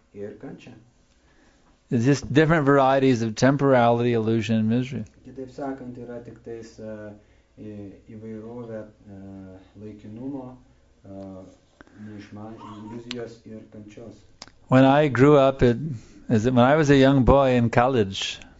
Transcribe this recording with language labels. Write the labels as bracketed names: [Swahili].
[English] It's just different varieties of temporality, illusion, and misery. [Lithuanian] Kitaip sakant, yra tik tais įvairovė laikinumo, iliuzijos ir kančios. [English] When I grew up, when I was a young boy in college,